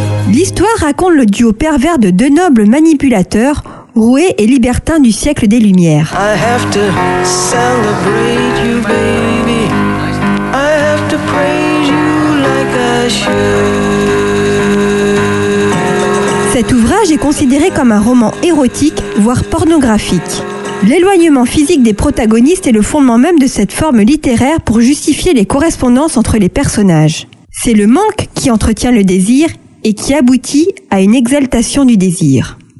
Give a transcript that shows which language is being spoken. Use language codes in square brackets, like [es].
[fr] L'histoire raconte le duo pervers de deux nobles manipulateurs, roués et libertins du siècle des Lumières. [en] I have to celebrate you, baby. I have to praise you like I should. [fr] Cet ouvrage est considéré comme un roman érotique, voire pornographique. L'éloignement physique des protagonistes est le fondement même de cette forme littéraire pour justifier les correspondances entre les personnages. C'est le manque qui entretient le désir et qui aboutit à une exaltation du désir.